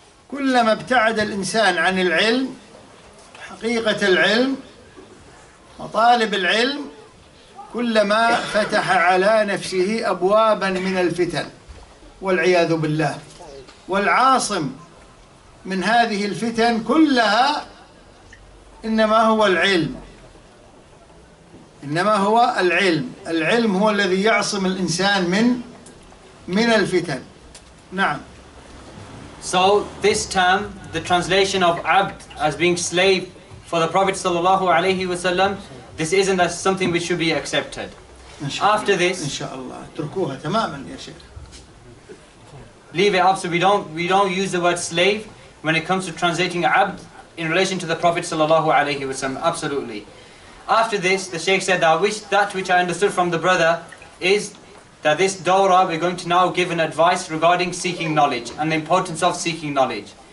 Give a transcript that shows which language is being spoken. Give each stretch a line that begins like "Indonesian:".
Arabic: كلما ابتعد الإنسان عن العلم، حقيقة العلم، مطالب العلم، كلما فتح على نفسه أبوابا من الفتن والعياذ بالله. والعاصم من هذه الفتن كلها إنما هو العلم، إنما هو العلم. العلم هو الذي يعصم الإنسان من الفتن. نعم.
English: So this term, the translation of abd as being slave for the Prophet sallallahu alaihi wasallam, this isn't a, something which should be accepted. After this,
Arabic: inshallah, تركوها تماما يا شيخ.
English: Leave it up. So we don't use the word slave when it comes to translating abd in relation to the Prophet sallallahu alaihi wasallam. Absolutely. After this, the Shaykh said that which I understood from the brother is that this Dora, we're going to now give an advice regarding seeking knowledge and the importance of seeking knowledge.